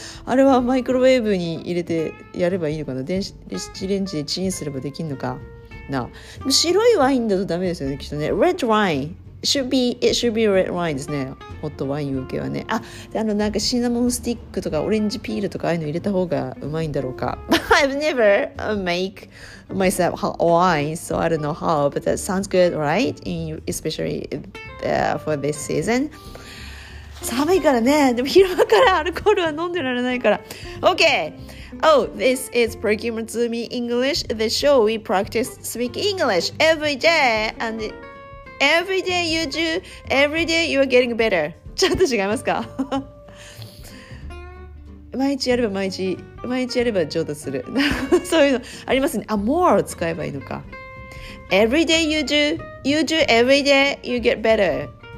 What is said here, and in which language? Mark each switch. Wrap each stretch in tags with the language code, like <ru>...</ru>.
<ja>あれはマイクロウェーブに入れてやればいいのかな?電子レンジでチンすればできるのか?</ja> <en>No.</en> <ja>白いワインだとダメですよね、きっとね。</ja> <en>Red wine. It should be red wine</en> <ja>ですね。ホットワイン受けはね。あ、あのなんかシナモンスティックとかオレンジピールとかああいうの入れた方がうまいんだろうか。</ja> <en>I've never make myself hot wine, so I don't know how, but that sounds good, right? Especially for this season.</en> <ja>寒いからね。でも昼間からアルコールは飲んでられないから。</ja> <en>Okay. Oh, this is Perky Matsumi English, the show we practice speak English every day and. Every day you do, every day you are getting better.</en> <ja>ちょっと違いますか? 毎日やれば毎日やれば上達する。そういうのありますね。あ、more を使えばいいのか。</ja> <en>Every day you do every day you get better.</en>